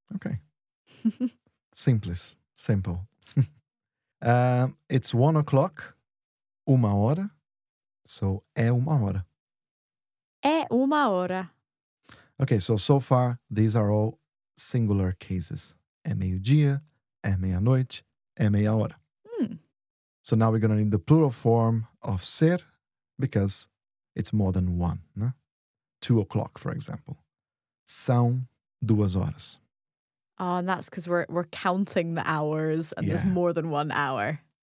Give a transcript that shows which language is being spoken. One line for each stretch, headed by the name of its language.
English: Okay. Simples. Simple. It's 1 o'clock,
Portuguese: uma hora. So, é uma hora. É uma hora.
English: Okay, so far, these are all singular cases.
Portuguese: É meio-dia, é meia-noite, é meia-hora.
English: So now we're going to need the plural form of ser, because it's more than one. No? 2 o'clock, for example.
Portuguese: São duas horas.
English: Oh, and that's because we're counting the hours, and yeah, there's more than 1 hour.